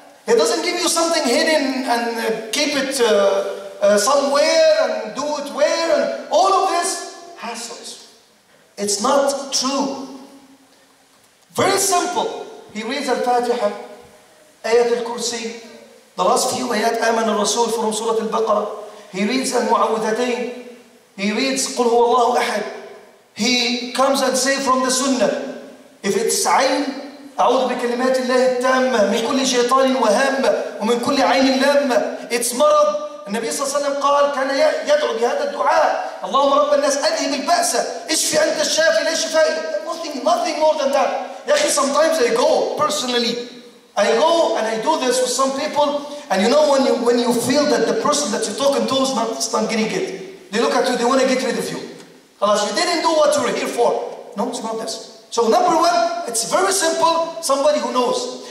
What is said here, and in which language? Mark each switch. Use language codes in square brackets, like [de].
[en] It doesn't give you something hidden and keep it somewhere and do it where, and all of this hassles. It's not true. Very simple. He reads Al-Fatiha, Ayat Al-Kursi, the last few Ayat Aman Al-Rasul from Surah Al-Baqarah. He reads Al-Mu'awwidhatayn. He reads Qul Huwallahu Ahad. he comes and say from the sunnah, if it's [ar] عين, أعوذ بكلمات الله التامة من كل شيطان وهامة ومن كل عين لامة. [en] It's مرض. [ar] النبي صلى الله عليه وسلم قال كان يدعو بهذا الدعاء: اللهم رب الناس أذهب البأس، اشفي أنت الشافي لا شفاء. [en] Nothing more than that. [ar] يا أخي [en] sometimes I go personally, I go and I do this with some people, and you know when you feel that the person that you're talking to is not getting it, they look at you, they want to get rid of you. [ar] خلاص, [en] you didn't do what you were here for. No, it's not this. So number one, it's very simple, somebody who knows.